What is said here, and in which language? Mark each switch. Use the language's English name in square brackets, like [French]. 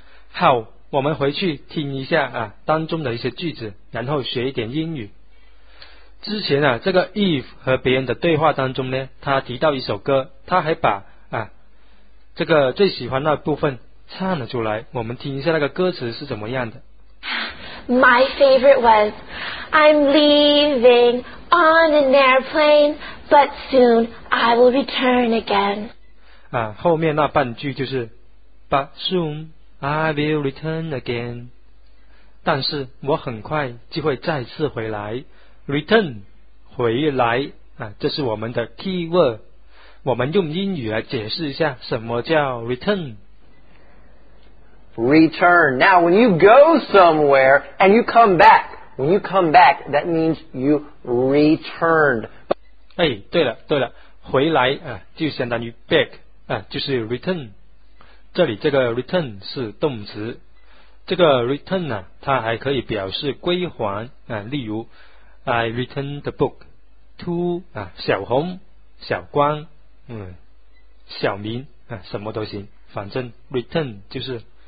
[Chinese] 好，我们回去听一下啊，当中的一些句子，然后学一点英语。之前啊，这个 Eve 和别人的对话当中呢，他提到一首歌，他还把啊，这个最喜欢那部分唱了出来，我们听一下那个歌词是怎么样的。 [English] My favorite was, I'm leaving on an airplane, but soon I will return again. [Chinese] 啊，后面那半句就是 [English] But soon I will return again. [Chinese] 但是我很快就会再次回来。Return, 回来啊，这是我们的 keyword. 我们用英语来解释一下什么叫 return。 [English] Return. Now, when you go somewhere and you come back, when you come back, that means you returned. [Chinese] 哎，对了，对了，回来啊，就相当于 back 啊，就是 return. 这里这个 return 是动词，这个 return 呢、啊，它还可以表示归还啊。例如 ， [English] I return the book to [Chinese] 啊小红、小光、小明啊，什么都行，反正 return 就是。